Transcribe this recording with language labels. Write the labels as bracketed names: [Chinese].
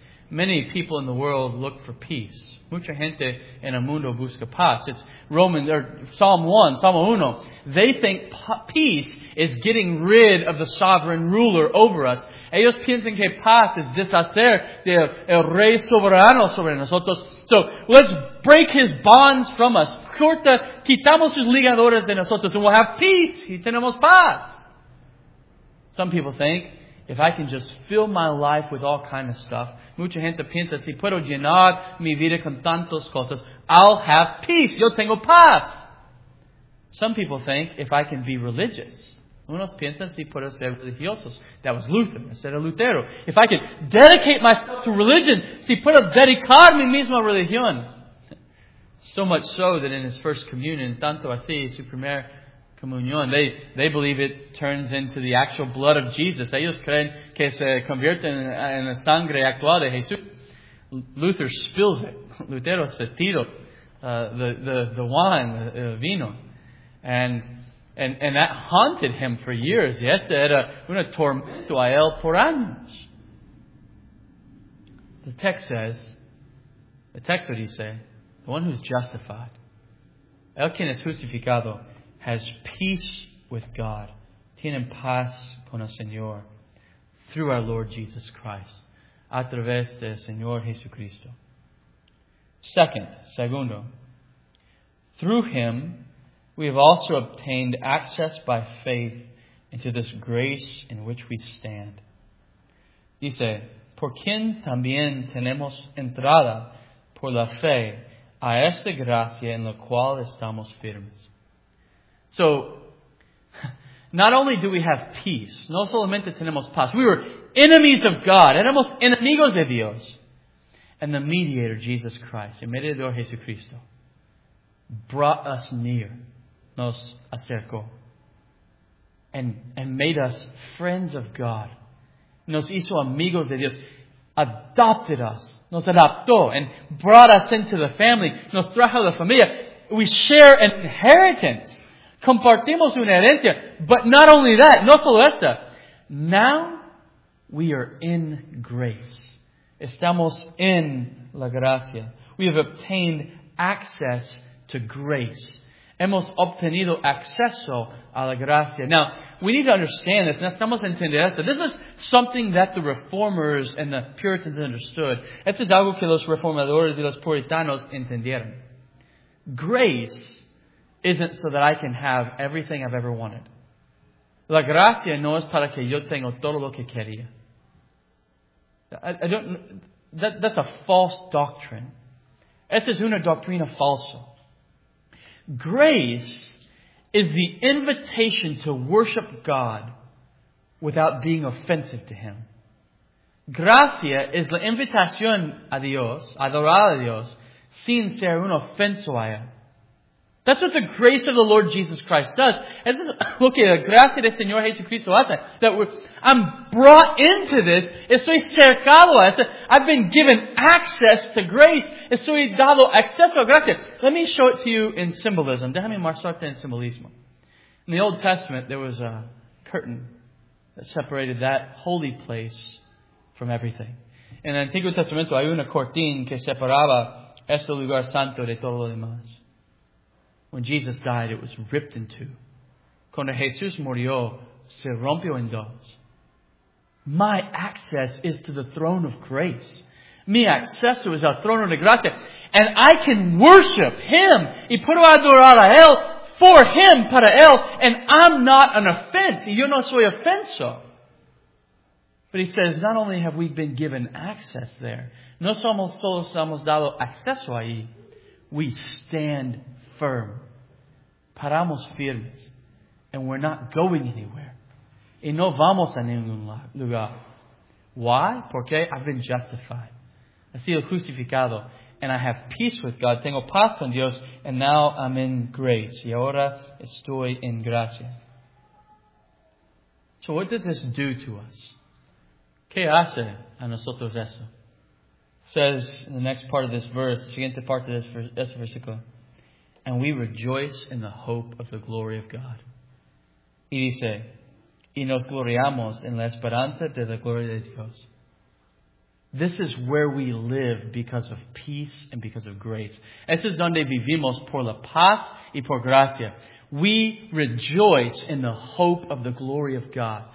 [English] Many people in the world look for peace. [Spanish] Mucha gente en el mundo busca paz. [English] It's Romans or Psalm 1. They think peace is getting rid of the sovereign ruler over us. [Spanish] Ellos piensan que paz es deshacer del rey soberano sobre nosotros. [English] So let's break his bonds from us. [Spanish] Corta, quitamos sus ligaduras de nosotros [English] and we'll have peace. [Spanish] Y tenemos paz. [English] Some people think, if I can just fill my life with all kind of stuff, [Spanish] mucha gente piensa, si puedo llenar mi vida con tantas cosas, [English] I'll have peace. [Spanish] Yo tengo paz. [English] Some people think, if I can be religious. [Spanish] Unos piensan, si puedo ser religiosos. [English] That was Luther. Instead of Lutero. If I can dedicate myself to religion, [Spanish] si puedo dedicar mi misma religión. [English] So much so that in his first communion, [Spanish] tanto así, su primer comunión. [English] They believe it turns into the actual blood of Jesus. [Spanish] Ellos creen que se convierte en la sangre actual de Jesús. [English] Luther spills it. [Spanish] Lutero se tiro [English] the wine, the vino. And that haunted him for years. [Spanish] Y este era una tormento a él por años. [English] The text would he say, the one who's justified, [Spanish] el quien es justificado, [English] has peace with God, [Spanish] tiene paz con el Señor, [English] through our Lord Jesus Christ, [Spanish] a través del Señor Jesucristo. [English] Segundo, through him, we have also obtained access by faith into this grace in which we stand. [Spanish] Dice, por quien también tenemos entrada por la fe a esta gracia en la cual estamos firmes. [English] So, not only do we have peace, [Spanish] no solamente tenemos paz. [English] We were enemies of God. [Spanish] Éramos enemigos de Dios. [English] And the mediator, Jesus Christ, [Spanish] el mediador Jesucristo, [English] brought us near. [Spanish] Nos acercó. [English] And made us friends of God. [Spanish] Nos hizo amigos de Dios. [English] Adopted us. [Spanish] Nos adoptó. [English] And brought us into the family. [Spanish] Nos trajo la familia. [English] We share an inheritance. [Spanish] Compartimos una herencia. [English] But not only that. [Spanish] No solo esta. [English] Now, we are in grace. [Spanish] Estamos en la gracia. [English] We have obtained access to grace. [Spanish] Hemos obtenido acceso a la gracia. [English] Now, we need to understand this. [Spanish] Necesitamos entender esto. [English] This is something that the reformers and the Puritans understood. [Spanish] Esto es algo que los reformadores y los puritanos entendieron. [English] Grace isn't so that I can have everything I've ever wanted. [Spanish] La gracia no es para que yo tenga todo lo que quería. [English] That's a false doctrine. [Spanish] Esta es una doctrina falsa. [English] Grace is the invitation to worship God without being offensive to Him. [Spanish] Gracia es la invitación a Dios, adorar a Dios, sin ser un ofenso a Él. [English] That's what the grace of the Lord Jesus Christ does. [Spanish] Es lo que la gracia del Señor Jesucristo hace. [English] That I'm brought into this. [Spanish] Estoy cercado a esto. [English] I've been given access to grace. [Spanish] Estoy dado acceso a gracia. [English] Let me show it to you in symbolism. [Spanish] Déjame mostrarte en simbolismo. [English] In the Old Testament, there was a curtain that separated that holy place from everything. [Spanish] En el Antiguo Testamento, hay una cortina que separaba este lugar santo de todo lo demás. [English] When Jesus died, it was ripped in two. [Spanish] Cuando Jesús murió, se rompió en dos. [English] My access is to the throne of grace. [Spanish] Mi acceso es al trono de gracia. [English] And I can worship Him. [Spanish] Y puedo adorar a Él [English] for Him, [Spanish] para Él. [English] And I'm not an offense. [Spanish] Y yo no soy ofenso. [English] But He says, not only have we been given access there, [Spanish] no somos solo somos dado acceso ahí, [English] we stand firm. [Spanish] Paramos firmes. [English] And we're not going anywhere. [Spanish] Y no vamos a ningún lugar. [English] Why? [Spanish] Porque [English] I've been justified. [Spanish] He sido justificado. [English] And I have peace with God. [Spanish] Tengo paz con Dios. [English] And now I'm in grace. [Spanish] Y ahora estoy en gracia. [English] So what does this do to us? [Spanish] ¿Qué hace a nosotros eso? [English] Says in the next part of this verse, [Spanish] siguiente parte de este versículo. [English] And we rejoice in the hope of the glory of God. [Spanish] Y dice, y nos gloriamos en la esperanza de la gloria de Dios. [English] This is where we live because of peace and because of grace. [Spanish] Esto es donde vivimos por la paz y por gracia. [English] We rejoice in the hope of the glory of God.